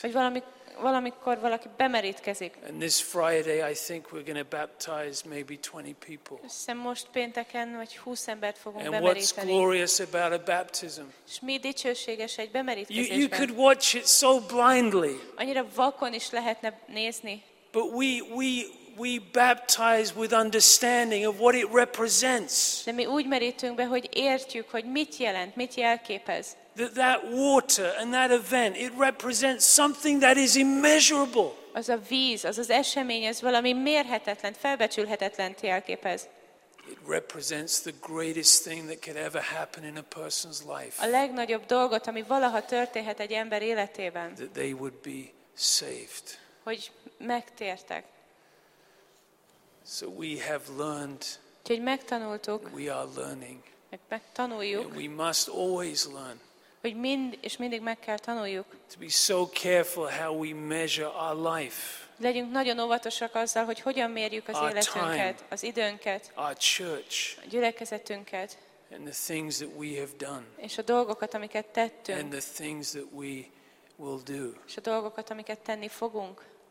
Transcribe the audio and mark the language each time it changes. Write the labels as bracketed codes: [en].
[hu] Vagy valamikor valaki bemerítkezik. [en] And this Friday I think we're going to baptize maybe 20 people. [hu] Hiszem most pénteken vagy 20 embert fogunk bemeríteni. [en] And what's glorious about a baptism? [hu] És mi dicsőséges egy bemerítkezésben. [en] You could watch it so blindly. [hu] Annyira vakon is lehetne nézni. [en] But we baptize with understanding of what it represents. [hu] De mi úgy merítünk be, hogy értjük, hogy mit jelent, mit jelképez. [en] That water and that event, it represents something that is immeasurable. [hu] Az a víz, az az esemény, ez valami mérhetetlen, felbecsülhetetlen jelképez. [en] It represents the greatest thing that could ever happen in a person's life. [hu] A legnagyobb dolgot, ami valaha történhet egy ember életében. [en] That they would be saved. [hu] Hogy megtértek. [en] So we have learned. [hu] Úgyhogy megtanultuk. [en] We are learning. [hu] Megtanuljuk. [en] We must always learn. [hu] Hogy mind és mindig meg kell tanuljuk. [en] To be so careful how we measure our life. [hu] Legyünk nagyon óvatosak azzal, hogy hogyan mérjük az életünket, az időnket, [en] our church, [hu] a gyülekezetünket, [en] and the things that we have done, [hu] és a dolgokat, amiket tettünk, [en] and the things that we will do, [hu] és a dolgokat, amiket tenni fogunk.